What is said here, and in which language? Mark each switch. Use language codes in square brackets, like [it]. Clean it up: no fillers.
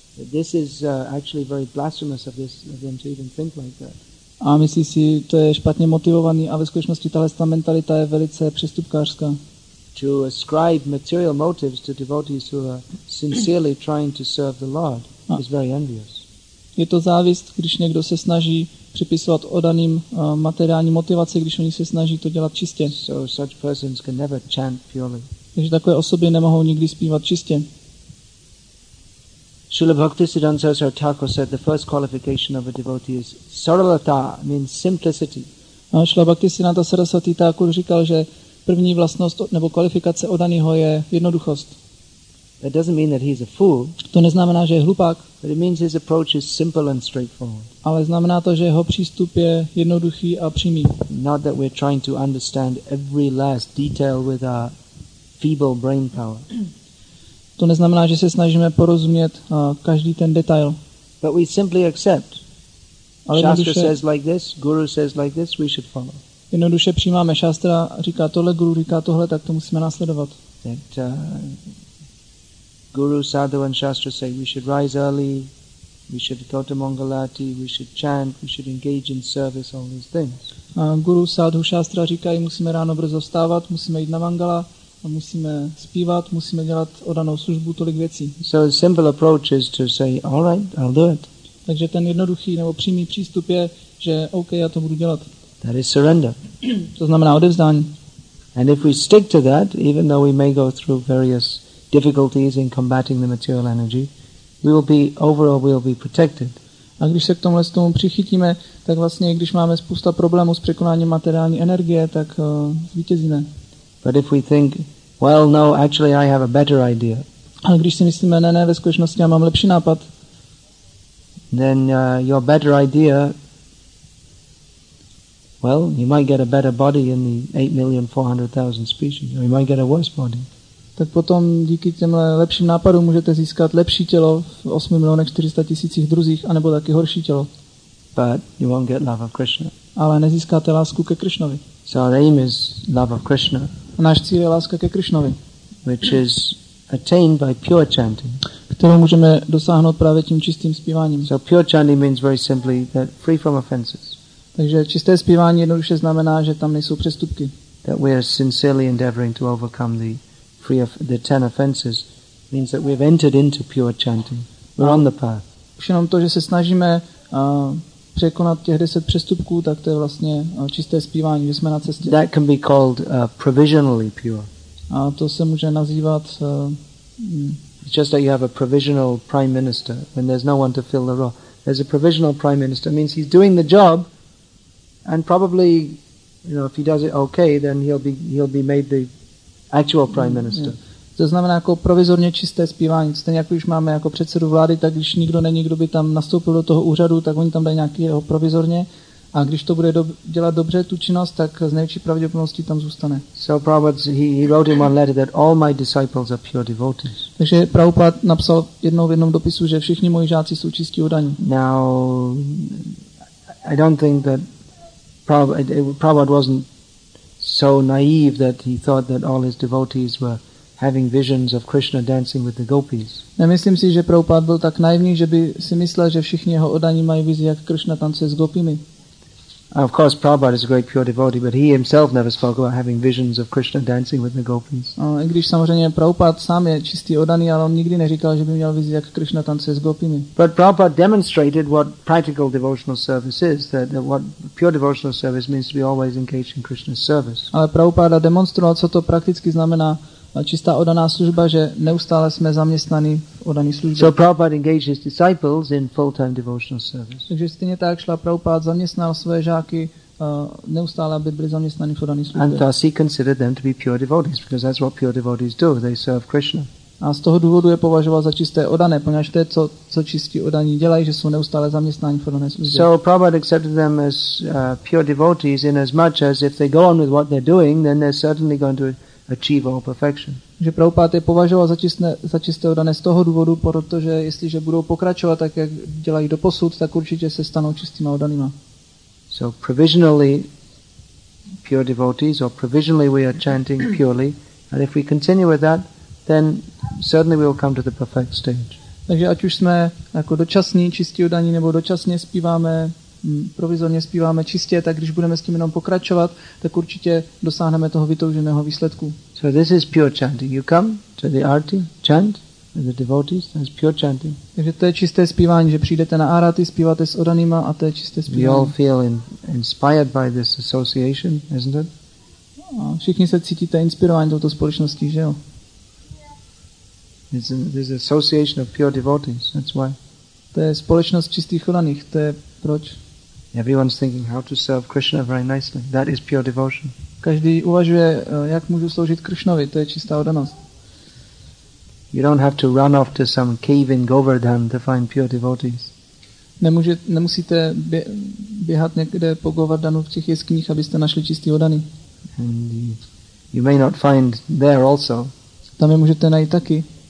[en] This is actually very blasphemous of this of them to even think like that. [cs] A myslí si, to je špatně motivovaný a ve skutečnosti tahle mentalita je velice přestupkářská. [en] To ascribe material motives to devotees who are sincerely trying to serve the Lord is very envious. [cs] Je to závist, když někdo se snaží připisovat oddaným materiální motivaci, když oni se snaží to dělat čistě. [en] So such persons can never chant purely. [cs] Takže takové osoby nemohou nikdy zpívat čistě. [en] Srila Bhaktisiddhanta Saraswati Thakur said the first qualification of a devotee is saralata, means simplicity. [cs] Srila Bhaktisiddhanta Saraswati Thakur říkal, že první vlastnost nebo kvalifikace oddaného je jednoduchost. [en] That doesn't mean that he's a fool. [cs] To neznamená, že je hlupák. [en] But it means his approach is simple and straightforward. [cs] Ale znamená to, že jeho přístup je jednoduchý a přímý. [en] Not that we're trying to understand every last detail with our feeble brain power. [cs] To neznamená, že se snažíme porozumět každý ten detail. [en] But we simply accept. Shastra says like this, guru says like this, we should follow. [cs] Jednoduše přijímáme. Shastra říká tohle, guru říká tohle, tak to musíme následovat. [en] That, guru, sadhu and shastra say we should rise early, we should go to Mangalati, we should chant, we should engage in service, all these things. [cs] Guru, sadhu, shastra říkají, musíme ráno brzo vstávat, musíme jít na mangala, a musíme zpívat, musíme dělat oddanou službu, tolik věcí. [en] So a simple approach is to say, all right, I'll do it. [cs] Takže ten jednoduchý nebo přímý přístup je, že OK, já to budu dělat. [en] That is surrender. [cs] To znamená odevzdání. [en] And if we stick to that, even though we may go through various difficulties in combating the material energy, we will be overall we will be protected. [cs] A když se k tomhle tomu přichytíme, tak vlastně když máme spousta problémů s překonáním materiální energie, tak zvítězíme. [en] But if we think, well, no, actually I have a better idea. [cs] A když si myslíme, ne, ve skutečnosti já mám lepší nápad. [en] Then your better idea, well, you might get a better body in the 8,400,000 species, or you might get a worse body. [cs] Tak potom díky těmhle lepším nápadům můžete získat lepší tělo v 8,400,000 druzích, anebo taky horší tělo. [en] But you won't get love of Krishna. [cs] Ale nezískáte lásku ke Krishnovi. [en] So our aim is love of Krishna. [cs] A náš cíl je láska ke Krishnovi. [en] Which is attained by pure chanting. [cs] Kterou můžeme dosáhnout právě tím čistým zpíváním. [en] So pure chanting means very simply that free from offenses. [cs] Takže čisté zpívání jednoduše znamená, že tam nejsou přestupky. [en] That we are sincerely endeavoring to overcome the free of the ten offenses means that we've entered into pure chanting. We're on the path. [cs] Už jenom to, že se snažíme překonat těch 10 přestupků, tak to je vlastně čisté zpívání, že jsme na cestě. [en] That can be called provisionally pure. [cs] A to se může nazývat [en] It's just that you have a provisional prime minister when there's no one to fill the role. There's a provisional prime minister means he's doing the job and probably, you know, if he does it okay, then he'll be made the actual prime minister. [cs] To znamená jako provizorně čisté zpívání. Stejně jako už máme jako předsedu vlády, tak když nikdo není, kdo by tam nastoupil do toho úřadu, tak oni tam dají nějakého provizorně. A když to bude dělat dobře tu činnost, tak z největší pravděpodobností tam zůstane. [en] So Prabhupada, he wrote in one letter that all my disciples are pure devotees. [cs] Takže Prabhupada napsal jednou v jednom dopisu, že všichni moji žáci jsou čistí oddaní. [en] Now, I don't think that Prabhupada wasn't so naive that he thought that all his devotees were having visions of Krishna dancing with the gopis. [cs] Nemyslím si, že Prabhupada byl tak naivní, že by si myslel, že všichni jeho oddaní mají vizi, jak Krishna tancuje s gopimi. [en] Of course, Prabhupada is a great pure devotee, but he himself never spoke about having visions of Krishna dancing with the gopis. [cs] I když samozřejmě Prabhupada sám je čistý oddaný, ale on nikdy neříkal, že by měl vizi, jak Krishna tancuje s gopimi. [en] But Prabhupada demonstrated what practical devotional service is, that what pure devotional service means to be always engaged in Krishna's service. [cs] Ale Prabhupada demonstroval, co to prakticky znamená čistá oddaná služba, že neustále jsme zaměstnaní v oddaný službě. [en] So Prabhupada engaged his disciples in full-time devotional service. [cs] Takže stejně tak šla Prabhupada zaměstnal své žáky neustále, aby byli zaměstnaní v oddaný službě. [en] And thus he considered them to be pure devotees, because that's what pure devotees do, they serve Krishna. [cs] A z toho důvodu je považoval za čisté oddané, poněvadž to je, co čistí oddaní dělají, že jsou neustále zaměstnáni v oddané službě. [en] So Prabhupada accepted them as pure devotees in as much as if they go on with what they're doing, then they're certainly going to achieve all perfection. [cs] Že Prabhupada je považoval za čisté oddané z toho důvodu, protože jestliže budou pokračovat tak, jak dělají doposud, tak určitě se stanou čistými oddanými. [en] So provisionally pure devotees, or provisionally we are chanting purely, and if we continue with that, then certainly we will come to the perfect stage. [cs] Takže ať už jsme jako dočasní čistí oddaní, nebo dočasně zpíváme, provizorně zpíváme čistě, tak když budeme s tím jenom pokračovat, tak určitě dosáhneme toho vytouženého výsledku. [en] So this is pure chanting. You come to the arati, chant with the devotees, that's pure chanting. [cs] Takže to je čisté zpívání, že přijdete na arati, zpíváte s oddanýma a to je čisté zpívání. [en] We all feel inspired by this association, isn't it? [cs] A všichni se cítíte inspirováni touto společností, že jo? [en] This is an association of pure devotees, that's why. [cs] To je společnost čistých oddaných, to je proč? [en] Everyone's thinking how to serve Krishna very nicely. That is pure devotion. [cs] Každý uvažuje, jak můžu sloužit Krishnovi, to je čistá oddanost. [en] You don't have to run off to some cave in Govardhan to find pure devotees. [cs] Nemusíte běhat někde po Govardhanu v těch jeskyních, abyste našli čistý oddaný. And you may not find there also. Tam je můžete najít taky.